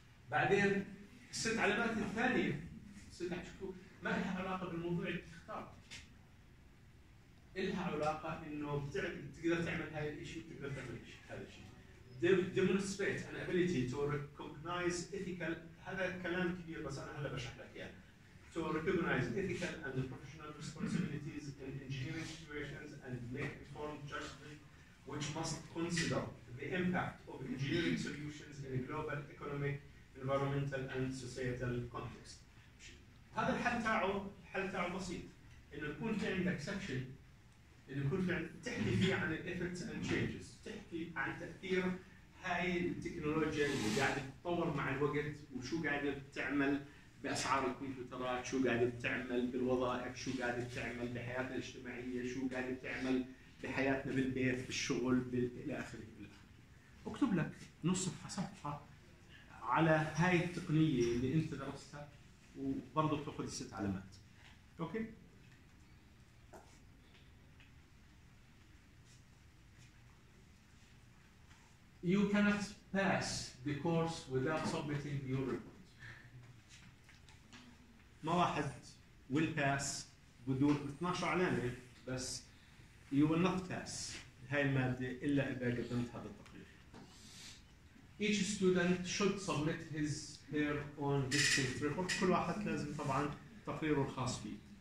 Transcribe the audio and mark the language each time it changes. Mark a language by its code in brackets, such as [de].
[ar] بعدين 6 علامات الثانية ما لها علاقة بالموضوع اللي تختار، لها علاقة إنه بتقدر تعمل هاي الإشي وتقدر تعمل هذا الشيء. [en] demonstrate an ability to recognize ethical، [ar] هذا كلام كبير بس أنا هلا بشرح لك إياه. [en] to recognize ethical and professional responsibilities in engineering situations and make informed judgment which must consider the impact of engineering solutions in a global economic environmental and societal context. [ar] هذا الحل تاعه، حل تاعه بسيط، إنه يكون في عندك section اللي يكون في عندك تحكي فيه عن [en] effects and changes، [ar] تحكي عن تأثير هاي التكنولوجيا اللي قاعدة تتطور مع الوقت وشو قاعدة بتعمل بأسعار الكمبيوترات، شو قاعدة بتعمل بالوظائف، شو قاعدة بتعمل بحياة الاجتماعية، شو قاعدة بتعمل بحياتنا بالبيت بالشغل بالآخر. اكتب لك نص صفحة صفحة على هاي التقنية اللي انت درستها وبرضو بتأخذ 6 علامات. [en] Okay, you cannot pass the course without submitting your report. [ar] ما واحد [en] will pass [ar] بدون 12 علامة، بس [en] you will not pass [ar] هاي المادة إلا إذا قدمت هذا التقرير. [en] each student should submit his her own distinct report. [ar] كل واحد لازم طبعا تقريره الخاص فيه.